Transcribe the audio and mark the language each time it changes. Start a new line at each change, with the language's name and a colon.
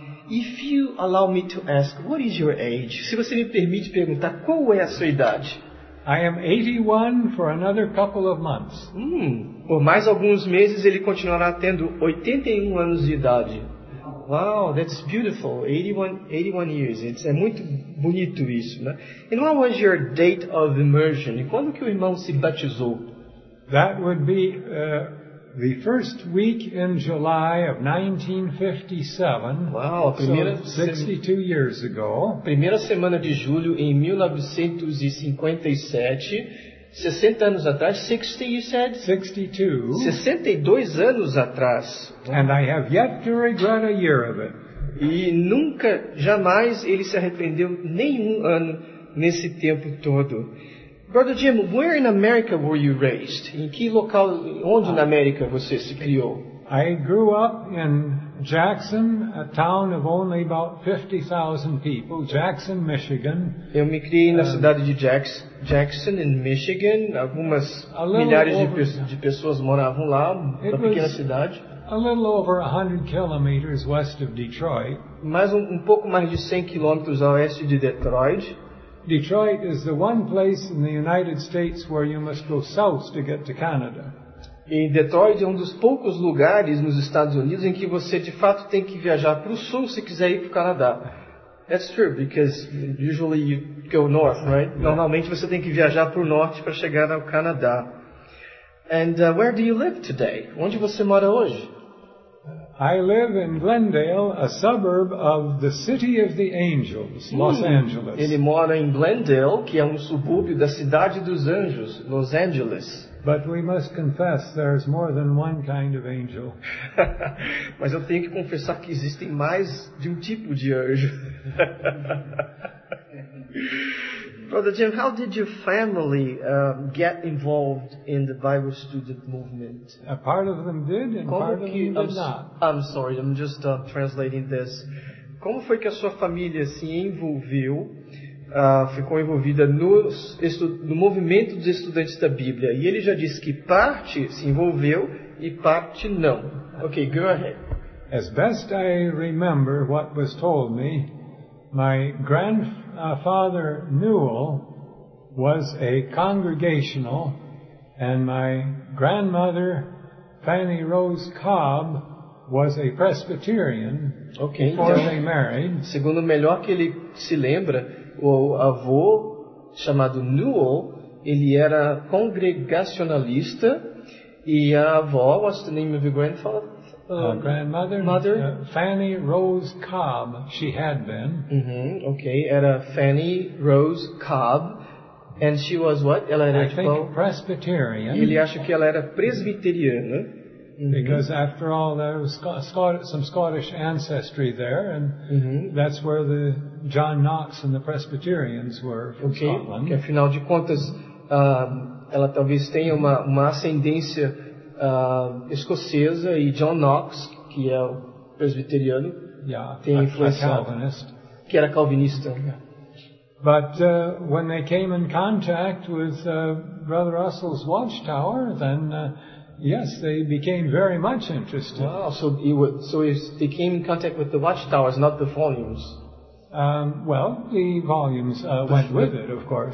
English: If you allow me to ask, what is your age?
Portuguese: Se você me permite perguntar, qual é a sua idade?
English: I am 81 for another couple of months.
Portuguese: Por mais alguns meses ele continuará tendo 81 anos de idade.
English: Wow, that's beautiful. 81 years.
Portuguese: É muito bonito isso, né?
English: And what was your date of immersion?
Portuguese: E quando que o irmão se batizou?
English: That would be the first week in July of 1957.
Portuguese: Wow, primeira
English: 62 years ago.
Portuguese: Primeira semana de julho em 1957. 60 anos atrás. 60,
English: you said? 62.
Portuguese: 62 anos atrás.
English: And I have yet to regret a year of it.
Portuguese: E nunca, jamais, ele se arrependeu nenhum ano nesse tempo todo.
English: Brother Jim, where in America were you raised?
Portuguese: Em que local, onde na América você se criou?
English: I grew up in Jackson, a town of only about 50,000 people, Jackson, Michigan.
Portuguese: Eu me criei na cidade de Jackson, in Michigan. Algumas milhares de pessoas moravam lá, uma pequena cidade.
English: A little over 100 kilometers west of Detroit.
Portuguese: Mais um pouco mais de 100 quilômetros a oeste de Detroit.
English: Detroit is the one place in the United States where you must go south to get to Canada.
Portuguese: E Detroit é um dos poucos lugares nos Estados Unidos em que você de fato tem que viajar para o sul se quiser ir para o Canadá.
English: That's true, because usually you go north, right? Yeah.
Portuguese: Normalmente você tem que viajar para o norte para chegar ao Canadá.
English: And where do you live today?
Portuguese: Onde você mora hoje?
English: I live in Glendale, a suburb of the City of the Angels, Los Angeles.
Portuguese: Ele mora em Glendale, que é um subúrbio da Cidade dos Anjos, Los Angeles.
English: But we must confess there's more than one kind of angel.
Portuguese: Mas eu tenho que confessar que existem mais de um tipo de anjo.
English: Brother Jim, how did your family get involved in the Bible student movement? A part of them did and
Portuguese: como
English: part
Portuguese: que,
English: of them did not. I'm sorry, I'm just translating this.
Portuguese: Como foi que a sua família se envolveu, ficou envolvida no movimento dos estudantes da Bíblia? E ele já disse que parte se envolveu e parte não.
English: Okay, go ahead. As best I remember what was told me, my grandfather Newell was a congregational, and my grandmother Fanny Rose Cobb was a Presbyterian. Okay, before
Portuguese: então,
English: they married.
Portuguese: Segundo o melhor que ele se lembra, o avô chamado Newell, ele era congregacionalista, E a avó,
English: what's the name of your grandfather? Grandmother? Mother? Fanny Rose Cobb. She had been. Mm-hmm. Okay. Era Fanny Rose Cobb. And she was what?
Portuguese: Ela era, tipo, Presbyterian. Ele acha que ela era presbiteriana. Mm-hmm.
English: Because after all, there was some Scottish ancestry there, and that's where the John Knox and the Presbyterians were from Scotland.
Portuguese: Que, afinal de contas, ela talvez tenha uma ascendência escocesa, e John Knox, que é o presbiteriano, tem influência.
English: Calvinist.
Portuguese: Que era calvinista.
English: But when they came in contact with Brother Russell's watchtower, then yes, they became very much interested. Wow, so they came in contact with the watchtowers, not the volumes. Well, the volumes went with it, of course.